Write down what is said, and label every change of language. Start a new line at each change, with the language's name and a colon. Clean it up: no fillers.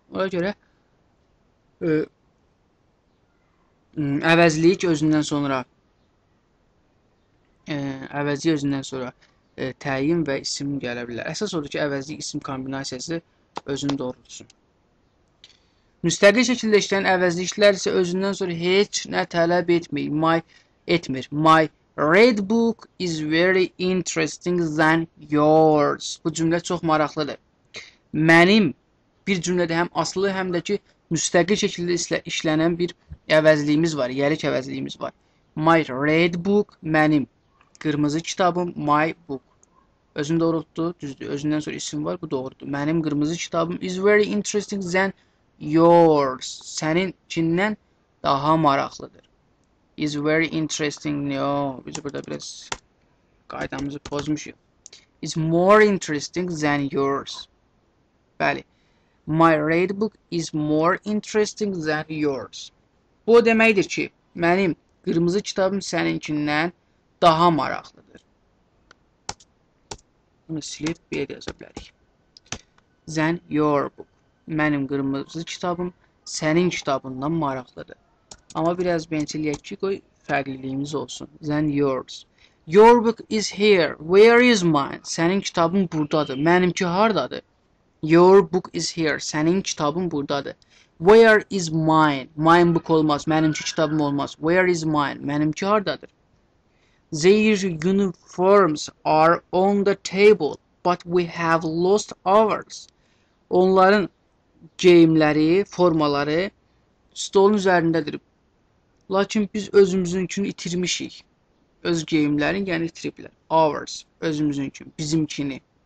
Azerbaijani: Ona görə əvəzlik özündən sonra əvəzi özündən sonra təyin və isim gələ bilər. Əsas odur ki, əvəzlik isim kombinasiyası özünü doğrultsun. Müstəqil şəkildə işləyən əvəzliklər isə özündən sonra heç nə tələb etmir.
English: My red book is very interesting than yours.
Azerbaijani: Bu cümlə çox maraqlıdır. Mənim bir cümlədə həm aslı, həm də ki, müstəqil şəkildə işlənən bir əvəzliyimiz var, yəlik əvəzliyimiz var.
English: My red book,
Azerbaijani: mənim qırmızı kitabım,
English: my book.
Azerbaijani: Özünü doğrultdu, düzdür. Özündən sonra isim var, bu doğrudur. Mənim qırmızı kitabım
English: is very interesting than yours.
Azerbaijani: Səninkindən daha maraqlıdır.
English: Is very interesting. No,
Azerbaijani: biz burada biraz qaydamızı pozmuşuq.
English: Is more interesting than yours.
Azerbaijani: Bəli.
English: My red book is more interesting than yours.
Azerbaijani: Bu deməkdir ki, mənim qırmızı kitabım səninkindən daha maraqlıdır. Bunu silib bir yerə yaza bilərik.
English: Than your book.
Azerbaijani: Mənim qırmızı kitabım sənin kitabından maraqlıdır. Amma biraz bençiliyək ki, qoy fərqliliyimiz olsun.
English: Than yours. Your book is here. Where is mine?
Azerbaijani: Sənin kitabın buradadır. Mənimki hardadır?
English: Your book is here.
Azerbaijani: Sənin kitabın buradadır.
English: Where is mine? Mine book
Azerbaijani: olmaz. Mənimki kitabım olmaz.
English: Where is mine?
Azerbaijani: Mənimki hardadır?
English: Their uniforms are on the table, but we have lost ours.
Azerbaijani: Onların geyimləri, formaları stolun üzərindədir. Lakin biz özümüzünkünü itirmişik. Öz geyimlərini, yəni itiriblər.
English: Ours,
Azerbaijani: özümüzünkü, bizimkini.